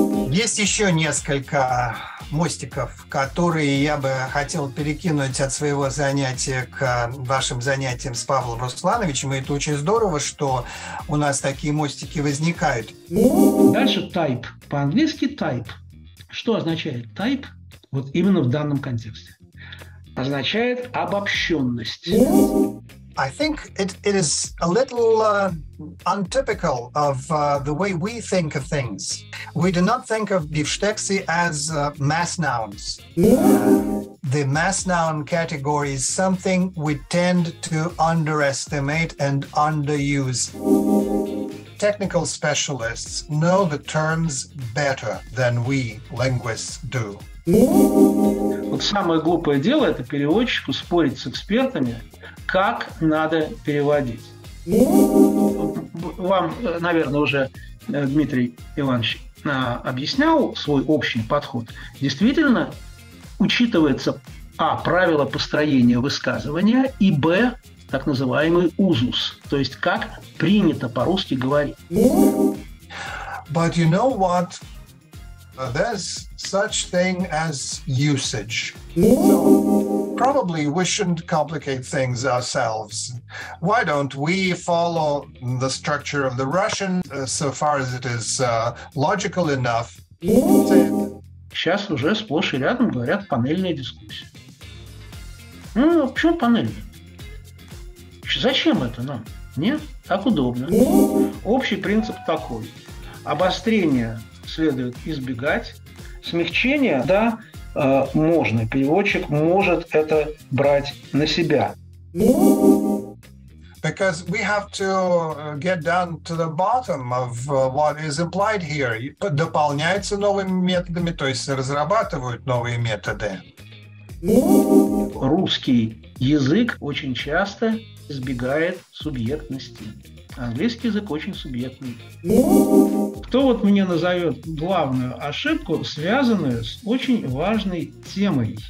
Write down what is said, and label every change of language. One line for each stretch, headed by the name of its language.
Russian: есть еще несколько мостиков, которые я бы хотел перекинуть от своего занятия к вашим занятиям с Павлом Руслановичем. И это очень здорово, что у нас такие мостики возникают. Дальше type. По-английски type. Что означает type? Вот именно в данном контексте. Означает обобщенность.
English: I think it is a little untypical of the way we think of things. We do not think of бифштексы as mass nouns. The mass noun category is something we tend to underestimate and underuse. Technical specialists know the terms better than we linguists do.
Russian: Вот самое глупое дело – это переводчику спорить с экспертами, как надо переводить. Вам, наверное, уже Дмитрий Иванович объяснял свой общий подход. Действительно, учитывается, а, правило построения высказывания, и, б, так называемый узус, то есть как принято по-русски говорить.
English: But you know what? There's such thing as usage. So probably we shouldn't complicate things ourselves. Why don't we follow the structure of the Russian so far as it is logical enough?
Russian: Сейчас уже сплошь и рядом говорят панельная дискуссия. Ну, а почему панельная? Зачем это нам? Нет? Так удобно. Общий принцип такой. Обострение следует избегать. Смягчение, да, можно. Переводчик может это брать на себя.
English: Because we have to get down to the bottom of what is implied here.
Russian: Дополняется новыми методами, то есть разрабатывают новые методы. Русский язык очень часто избегает субъектности. Английский язык очень субъектный. Кто вот мне назовет главную ошибку, связанную с очень важной темой?